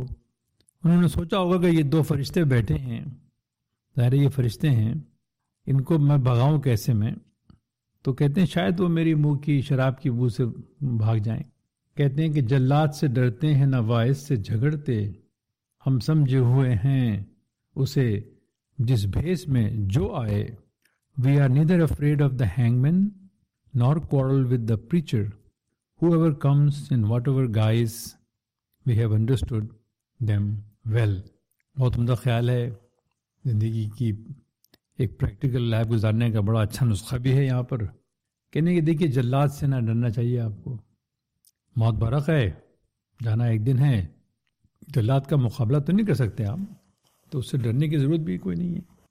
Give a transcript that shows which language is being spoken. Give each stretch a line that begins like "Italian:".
Urdu: انہوں نے سوچا ہوگا کہ یہ دو فرشتے بیٹھے ہیں، ظاہر یہ فرشتے ہیں، ان کو میں بھگاؤں کیسے میں. تو کہتے ہیں شاید وہ میری منہ کی شراب کی بو سے بھاگ جائیں. کہتے ہیں کہ جلاد سے ڈرتے ہیں نہ وائس سے جھگڑتے، ہم سمجھے ہوئے ہیں اسے جس بھیس میں جو آئے.
English: We are neither afraid of the hangman nor quarrel with the preacher, whoever comes in whatever guise we have understood them well.
Urdu: بہت عمدہ خیال ہے، زندگی کی ایک پریکٹیکل لائف گزارنے کا بڑا اچھا نسخہ بھی ہے یہاں پر. کہنے کے دیکھیے جلاد سے نہ ڈرنا چاہیے آپ کو، موت برق ہے، جانا ایک دن ہے، جلاد کا مقابلہ تو نہیں کر سکتے آپ، تو اس سے ڈرنے کی ضرورت بھی کوئی نہیں ہے.